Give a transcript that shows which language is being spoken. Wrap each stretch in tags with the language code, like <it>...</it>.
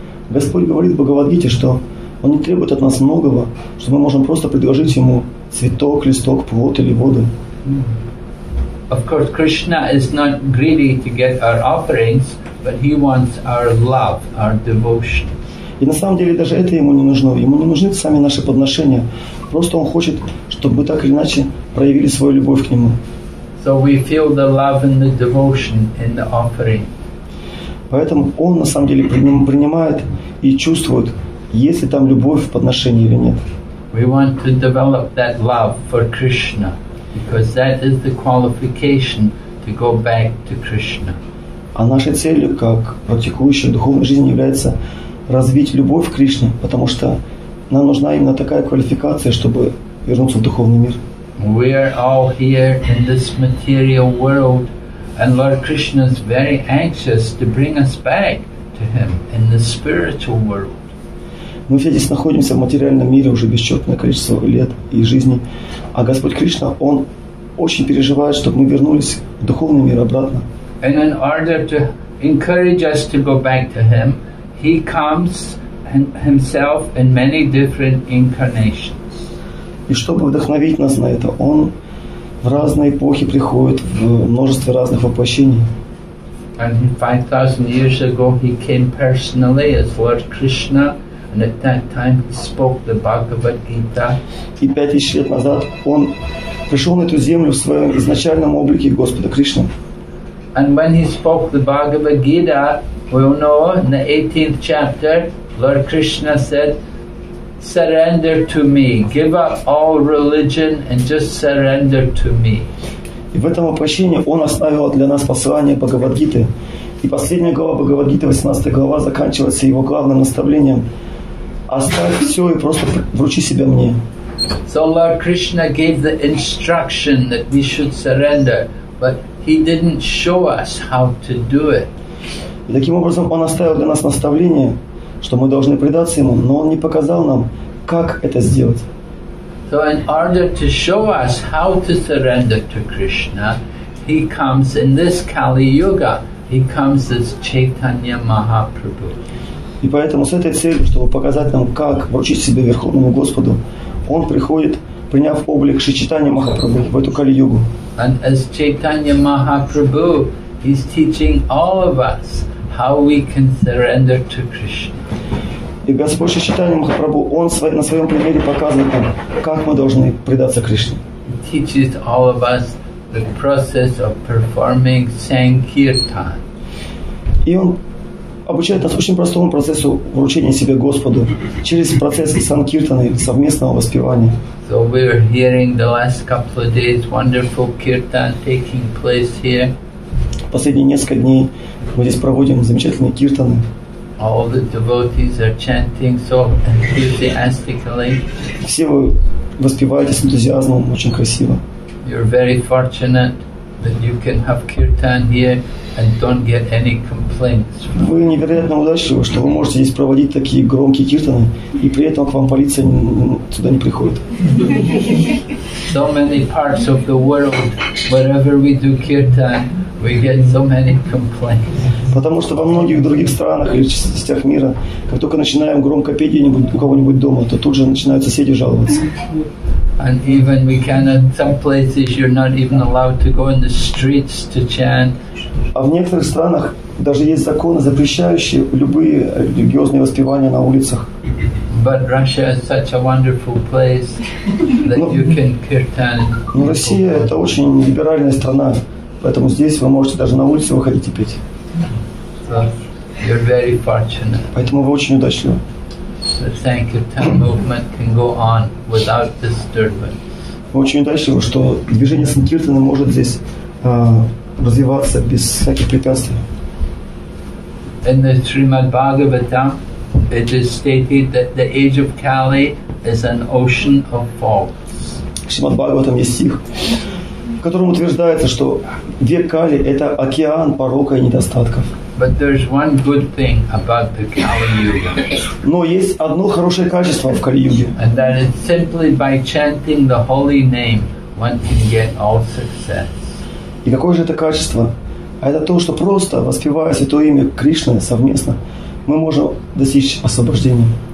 <ru>Господь говорит в Бхагавад-гите, что он не требует от нас многого, что мы можем просто предложить ему цветок, листок, плод или воду.</ru> <en>Of course, Krishna is not greedy to get our offerings, but he wants our love, our devotion.</en> <ru>И на самом деле даже это ему не нужно. Ему не нужны сами наши подношения. Просто он хочет, чтобы мы так или иначе проявили свою любовь к нему.</ru> <en>So we feel the love and the devotion in the offering.</en> <ru>Поэтому он на самом деле принимает и чувствует, есть ли там любовь в подношении или нет.</ru> <en>We want to develop that love for Krishna, because that is the qualification to go back to Krishna.</en> <ru>А нашей целью, как практикующей духовной жизни, является развить любовь к Кришне, потому что нам нужна именно такая квалификация, чтобы вернуться в духовный мир.</ru> <en>We are all here in this material world, and Lord Krishna is very anxious to bring us back to Him in the spiritual world.</en> <ru>Мы все здесь находимся в материальном мире уже бесчетное количество лет и жизни, а Господь Кришна, Он очень переживает, чтобы мы вернулись в духовный мир обратно.</ru> <en>And in order to encourage us to go back to Him, He comes Himself in many different incarnations.</en> <ru>И чтобы вдохновить нас на это, Он в разные эпохи приходит, в множестве разных воплощений.</ru> <en>And 5,000 years ago, He came personally as Lord Krishna, and at that time He spoke the Bhagavad Gita.</en> <ru>И 5,000 лет назад Он пришел на эту землю в своем изначальном облике Господа Кришны.</ru> <en>And when He spoke the Bhagavad Gita, we all know in the 18th chapter, Lord Krishna said, "Surrender to Me, give up all religion and just surrender to Me."</en> <ru>И в этом воплощении Он оставил для нас послание Бхагавад Гиты. И последняя глава Бхагавад Гиты, 18 глава, заканчивается Его главным наставлением: «Оставь все и просто вручи себя Мне».</ru> <en>So Lord Krishna gave the instruction that we should surrender, but He didn't show us how to do it.</en> <ru>И таким образом Он оставил для нас наставление, что мы должны предаться Ему, но Он не показал нам, как это сделать.</ru> <en>So in order to show us how to surrender to Krishna, He comes in this Kali Yuga. He comes as Chaitanya Mahaprabhu.</en> <ru>И поэтому с этой целью, чтобы показать нам, как вручить себя Верховному Господу, Он приходит, приняв облик Шри Чайтанья Махапрабху в эту Кали-Югу.</ru> <en>And as Chaitanya Mahaprabhu, He's teaching all of us how we can surrender to Krishna.</en> <ru>И Господь Шри Чайтанья Махапрабху, Он на своем примере показывает нам, как мы должны предаться Кришне.</ru> <en>He teaches all of us the process of performing Sankirtan.</en> <ru>И Он обучает нас очень простому процессу вручения себя Господу через процесс санкиртаны, совместного воспевания.</ru> <en>So we are hearing the last couple of days wonderful kirtan taking place here.</en> <ru>Последние несколько дней мы здесь проводим замечательные киртаны.</ru> <en>All the devotees are chanting so enthusiastically.</en> <ru>Все вы воспеваете с энтузиазмом, очень красиво.</ru> <en>You're very fortunate that you can have kirtan here and don't get any complaints.</en> <ru>Вы невероятно удачливы, что вы можете здесь проводить такие громкие киртаны, и при этом к вам полиция сюда не приходит.</ru> <en>So many parts of the world, wherever we do kirtan, we get so many complaints.</en> <ru>Потому что во многих других странах или частях мира, как только начинаем громко петь где-нибудь у кого-нибудь дома, то тут же начинают соседи жаловаться.</ru> <en>And even we cannot, some places you're not even allowed to go in the streets to chant.</en> <ru>А в некоторых странах даже есть законы, запрещающие любые религиозные воспевания на улицах.</ru> <en>But Russia is such a wonderful place that you can kirtan.</en> <ru>Но Россия — это очень либеральная страна, поэтому здесь вы можете даже на улице выходить и петь.</ru> <en>So you're very fortunate.</en> <ru>Поэтому вы очень удачливы.</ru> <en>The Sankirtan movement can go on without disturbance.</en> <ru>Очень удачно, что движение санкиртаны может здесь развиваться без всяких препятствий.</ru> <en>In the Srimad Bhagavatam, it is stated that the age of Kali is an ocean of faults.</en> <ru>Srimad Bhagavatam есть стих, в котором утверждается, что век Кали — это океан порока и недостатков.</ru> <en>But there's one good thing about the Kali Yuga.</en> <ru>Но есть одно хорошее качество в Кали-Юге.</ru> <en>And that is simply by chanting the holy name, one can get all success.</en> <ru>И какое же это качество? А это то, что просто воспевая святое имя Кришны совместно, мы можем достичь освобождения.</ru>